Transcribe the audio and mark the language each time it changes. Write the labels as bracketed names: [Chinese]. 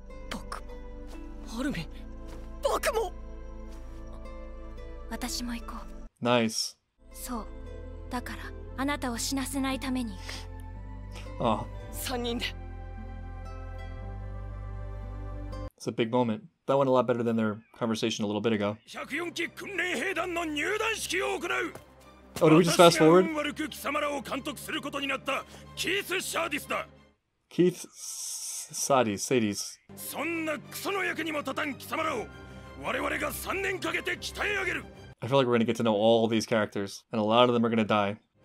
[Japanese] 僕も。アルミ、僕も。私も行こう。 [English] Nice. [Japanese] そう。だからあなたを死なせないために行く。ああ。3人で。 [English] It's a big moment. That went a lot better than their conversation a little bit ago. [Japanese] 104期訓練兵団の入団式を行う。 [English] Oh, did we just fast forward? [Japanese] 私は運悪く貴様らを監督することになったキース・シャーディスだ。キース・サディス。そんなクソの役にも立たん貴様らを我々が3年かけて鍛え上げる。 [English] I feel like we're going to get to know all these characters, and a lot of them are going to die.